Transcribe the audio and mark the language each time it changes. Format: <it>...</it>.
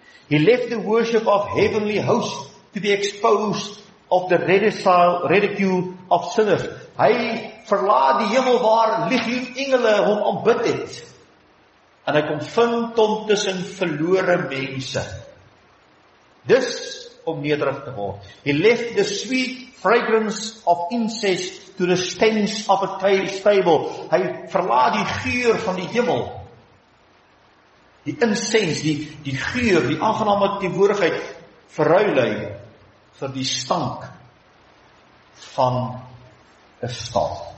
<en>He left the worship of heavenly host to be exposed of the ridicule of sinners.</en> <af>Hy verlaat die hemel waar liglief engele hom aanbid het. En hy kom vind hom tussen verlore mense. Dis om nederig te word.</af> <en>He left the sweet fragrance of incense to the stench of a stable.</en> <af>Hy verlaat die geur van die hemel. Die incense, die geur, die aangename teenwoordigheid, verruil hy vir die stank van 'n stal.</af>